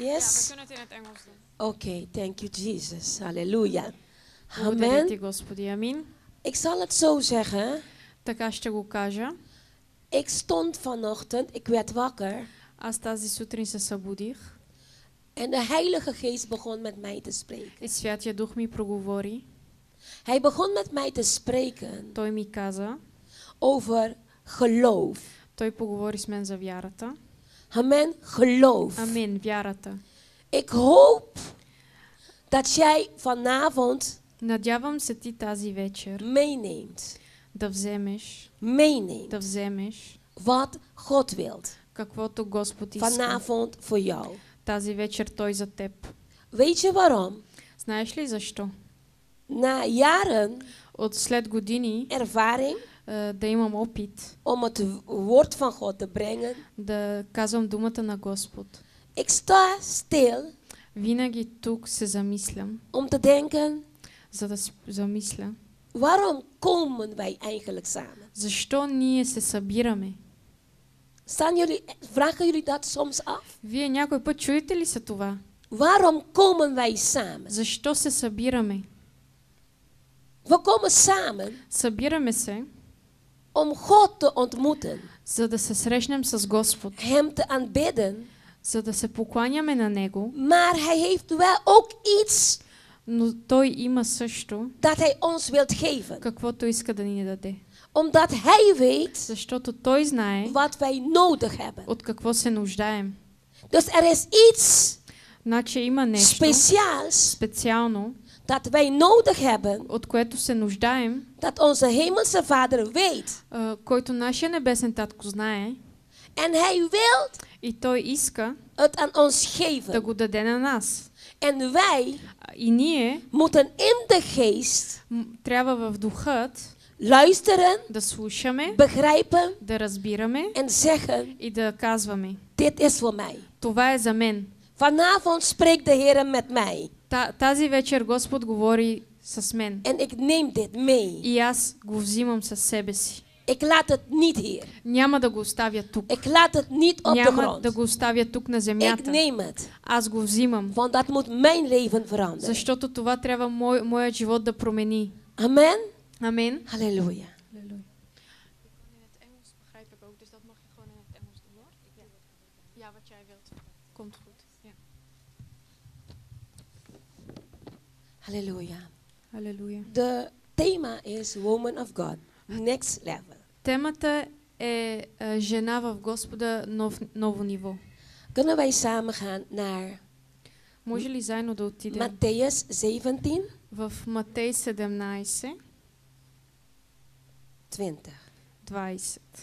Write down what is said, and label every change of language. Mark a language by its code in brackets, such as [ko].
[nl] Ja, we kunnen het in het Engels doen. [en] Oké, okay, thank you Jesus. Halleluja. Amen. Amen. [nl] Ik zal het zo zeggen. [bg] Така ще го кажа. [nl] Ik stond vanochtend, ik werd wakker. [bg] Аз тази сутрин се събудих. [nl] En de Heilige Geest begon met mij te spreken. [bg] И Святия Дух ми проговори. [nl] Hij begon met mij te spreken. [bg] Той ми каза. [nl] Over geloof. [bg] Той поговори с мен за вярата. [nl] Amen, geloof. [bg] Amen, вярата. [nl] Ik hoop dat jij vanavond. [bg] Надявам се ти тази вечер. [nl] Meeneemt. [bg] Да вземеш. [nl] Meeneemt. [bg] Да вземеш. [nl] Wat God wilt. [bg] Каквото Господ иска. [nl] Vanavond voor jou. [bg] Тази вечер той за теб. [nl] Weet je waarom? [bg] Знаеш ли защо? [nl] На jaren. [bg] От след години. [nl] Ervaring. [bg] Да имам опит. [nl] Om het woord van God te brengen. [bg] Да казвам думата на Господ. [nl] Ik sta stil. [bg] Винаги тук се замислям. [nl] Om te denken. [bg] За да замисля. [nl] Waarom komen wij eigenlijk samen? [bg] Защо ние се събираме? [nl] Staan jullie, vragen jullie dat soms af? [bg] Вие някой път чуете ли се това? [nl] Waarom komen wij samen? [bg] Защо се събираме? [nl] We komen samen. [bg] Събираме се. [nl] Om God te ontmoeten. [bg] За да се срещнем с Господ. [nl] Hem te aanbidden. [bg] За да се покланяме на Него. [nl] Maar hij heeft wel ook iets. [bg] Но той има също. [nl] Dat hij ons wilt geven. [bg] Каквото иска да ни даде. [nl] Omdat hij weet. [bg] Защото той знае. [nl] Wat wij nodig hebben. [bg] От какво се нуждаем. [nl] Dus er is iets. [bg] Значи има нещо. [nl] Speciaals. [bg] Специално. [nl] Dat wij nodig hebben. [bg] От което се нуждаем. [nl] Dat onze hemelse Vader weet. [bg] Който нашия небесен татко знае. [nl] En hij wil. [bg] И той иска. [nl] Het aan ons geven. [bg] Да го даде на нас. [nl] En wij. [bg] И ние. [nl] Moeten in de geest. [bg] Трябва в духът. [nl] Luisteren. [bg] Да слушаме. [nl] Begrijpen. [bg] Да разбираме. [nl] En zeggen. [bg] И да казваме. [nl] Dit is voor mij. [bg] Това е за мен. [nl] Vanavond spreekt de Heer met mij. [bg] Тази вечер Господ говори с мен. [nl] En ik neem dit mee. [bg] И аз го взимам със себе си. [nl] Ik laat het niet hier. [bg] Няма да го оставя тук. [nl] Ik laat het niet op [bg] Няма [nl] de grond. [bg] Да го оставя тук на земята. [nl] Ik neem het. [bg] Аз го взимам. [nl] Want dat moet mijn leven veranderen. [bg] Защото това трябва моя живот да промени. Amen. Amen. Halleluja. Halleluja. Halleluja. [en] The thema is woman of God, next level. [bg] Темата е жена в Господа, ново ниво. [nl] Kunnen wij samen gaan naar? [bg] Може ли заедно да отидем? Матеус 17. В Матей 17. 20. 20.